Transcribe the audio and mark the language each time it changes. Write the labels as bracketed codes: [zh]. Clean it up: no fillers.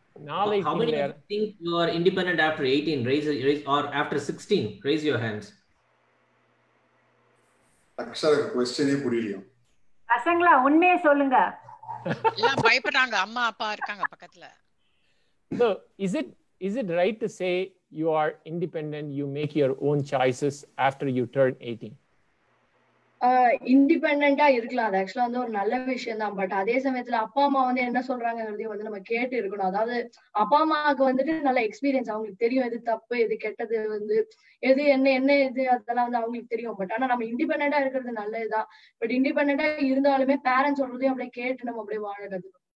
[ta] நாளை [en] How many think you are independent after 18 raise or after 16 raise your hands. [ta] அக்ஷர குவெஸ்டியனே புரியலையோ. பசங்களா உண்மையே சொல்லுங்க. எல்லாம் பயப்படுறாங்க, அம்மா அப்பா இருக்காங்க பக்கத்துல. [en] So Is it right to say you are independent, you make your own choices after you turn 18? [ta] இண்டிபெண்டா இருக்கலாம். அது ஆக்சுவலா வந்து ஒரு நல்ல விஷயம் தான். பட் அதே சமயத்துல அப்பா அம்மா வந்து என்ன சொல்றாங்கறதே வந்து நம்ம கேட்டு இருக்கணும். அதாவது அப்பா அம்மாவுக்கு வந்துட்டு நல்ல எக்ஸ்பீரியன்ஸ், அவங்களுக்கு தெரியும் எது தப்பு எது கெட்டது வந்து எது என்ன என்ன இது அதெல்லாம் வந்து அவங்களுக்கு தெரியும். பட் ஆனா நம்ம இண்டிபெண்டா இருக்கிறது நல்லதுதான். பட் இண்டிபெண்டா இருந்தாலுமே பேரண்ட்ஸ் சொல்றதையும் அப்படியே கேட்டு நம்ம அப்படியே வாழறது.